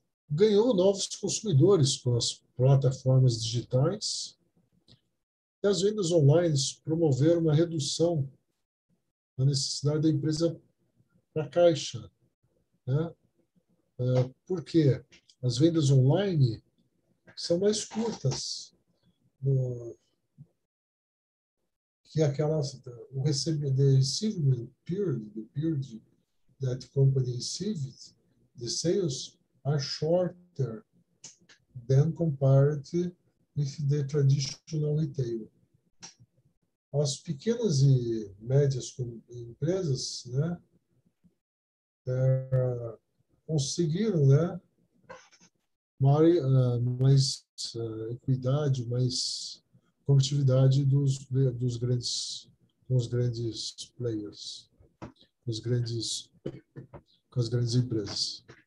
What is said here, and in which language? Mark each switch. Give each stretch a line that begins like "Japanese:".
Portuguese: Ganhou novos consumidores com as plataformas digitais. E as vendas online promoveram uma redução na necessidade da empresa para caixa, né? Por quê? as vendas online são mais curtas do que aquelas, o
English: receivement period, the period that the company received, the sales are shorter than compared with the traditional retail.
Portuguese: As pequenas e médias empresas, né, conseguiram, né, mais equidade, mais competitividade dos grandes players, com as grandes empresas.